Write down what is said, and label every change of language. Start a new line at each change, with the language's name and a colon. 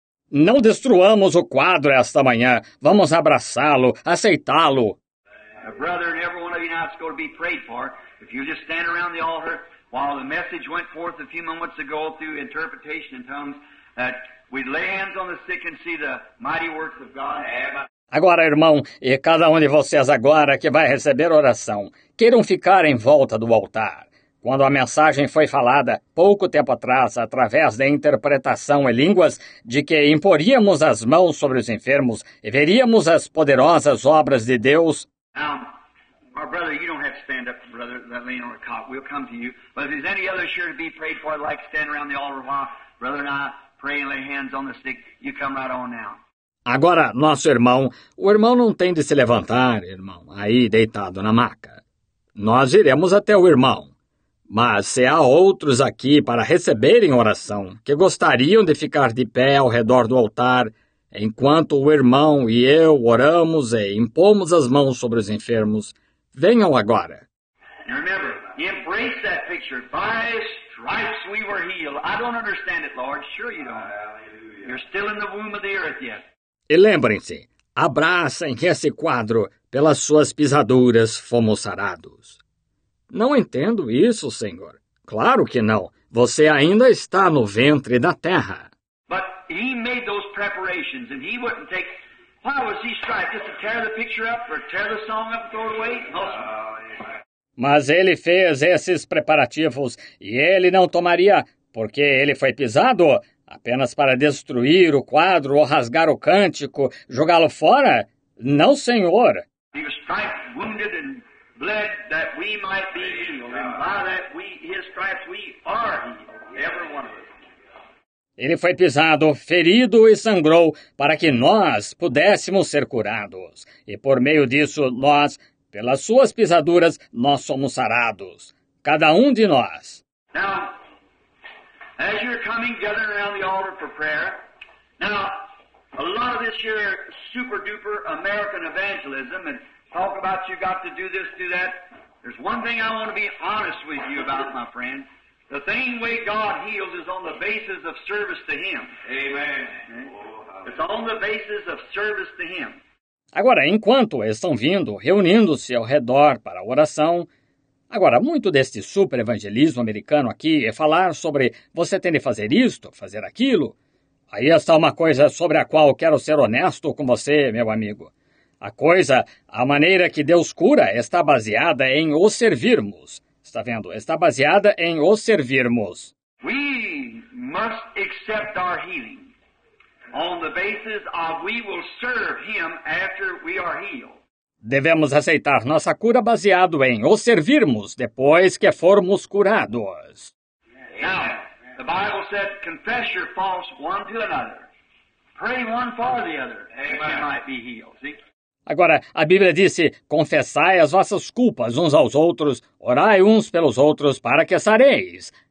Portuguese: Não destruamos o quadro esta manhã. Vamos abraçá-lo, aceitá-lo.
English: Brother, and every one of you now is going to be prayed for. If you just stand around the altar while the message went forth a few moments ago through interpretation in tongues, that we'd lay hands on the sick and see the mighty works of God.
Portuguese: Agora, irmão, e cada um de vocês agora que vai receber oração, queiram ficar em volta do altar. Quando a mensagem foi falada, pouco tempo atrás, através da interpretação em línguas, de que imporíamos as mãos sobre os enfermos e veríamos as poderosas obras de Deus.
English: Now, our brother, you don't have to stand up, brother, that laying on a cot. We'll come to you. But if there's any other sure to be prayed for, like stand around the altar while brother and I pray and lay hands on the sick, you come right on now.
Portuguese: Agora, nosso irmão, o irmão não tem de se levantar, irmão, aí deitado na maca. Nós iremos até o irmão. Mas se há outros aqui para receberem oração que gostariam de ficar de pé ao redor do altar, enquanto o irmão e eu oramos e impomos as mãos sobre os enfermos, venham agora.
English: Remember, embrace that picture. By stripes we were healed. I don't understand it, Lord. Sure you don't. You're still in the womb of the earth yet.
Portuguese: E lembrem-se, abracem esse quadro, pelas suas pisaduras fomos sarados. Não entendo isso, Senhor. Claro que não. Você ainda está no ventre da terra.
English: But he made those preparations and he wouldn't take. Why was he striving? Just to tear the picture up or tear the song up and throw it away? No, sir.
Portuguese: Mas ele fez esses preparativos e ele não tomaria, porque ele foi pisado apenas para destruir o quadro ou rasgar o cântico, jogá-lo fora? Não, senhor.
English: He was striped, wounded and bled that we might be healed. And by that we, his stripes, we are healed, every one of us.
Portuguese: Ele foi pisado, ferido e sangrou para que nós pudéssemos ser curados. E por meio disso, nós, pelas suas pisaduras, nós somos sarados. Cada um de nós.
English: Now, as you're coming together around the altar for prayer, now, a lot of this here super-duper American evangelism and talk about you got to do this, do that. There's one thing I want to be honest with you about, my friend. The same way God heals is on the basis of service to Him. Amen. It's on the basis of service to Him.
Portuguese: Agora, enquanto estão vindo, reunindo-se ao redor para a oração, agora, muito deste super evangelismo americano aqui é falar sobre você tem de fazer isto, fazer aquilo. Aí está uma coisa sobre a qual quero ser honesto com você, meu amigo. A coisa, a maneira que Deus cura está baseada em o servirmos. Está vendo? Está baseada em o servirmos.
English: We must accept our healing on the basis of we will serve Him after we are healed.
Portuguese: Devemos aceitar nossa cura baseado em o servirmos depois que formos curados.
English: Now, the Bible said, confess your faults one to another. Pray one for the other, that you might be healed. See?
Portuguese: Agora, a Bíblia disse, confessai as vossas culpas uns aos outros, orai uns pelos outros para que sareis.